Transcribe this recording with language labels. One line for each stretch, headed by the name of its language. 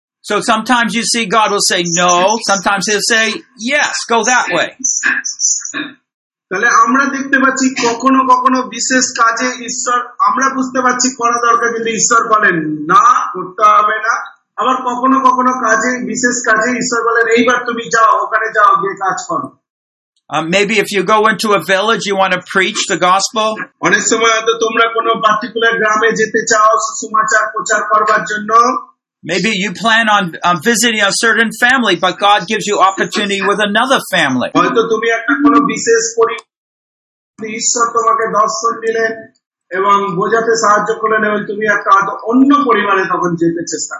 English: So sometimes you see God will say no, sometimes he'll say yes, go that way.
Bangla: তাহলে আমরা দেখতে পাচ্ছি কখনো কখনো বিশেষ কাজে ঈশ্বর আমরা বুঝতে পারছি করা দরকার, কিন্তু ঈশ্বর বলেন না করতে হবে না। আবার কখনো কখনো কাজে বিশেষ কাজে ঈশ্বর বলেন এইবার তুমি যাও ওখানে যাও গিয়ে কাজ করো।
English: Maybe if you go into a village you want to preach the gospel.
Bangla: অনেক সময় হয়তো তোমরা কোনো পার্টিকুলার গ্রামে যেতে চাও সুসমাচার প্রচার করবার জন্য।
English: Maybe you plan on visiting a certain family, but God gives you opportunity with another family.
Bangla: হয়তো তুমি একটা কোনো বিশেষ পরিবারে ঈশ্বর তোমাকে দর্শন দিলেন এবং বোঝাতে সাহায্য করলেন এবং তুমি একটা অন্য পরিবারে তখন যেতে চেষ্টা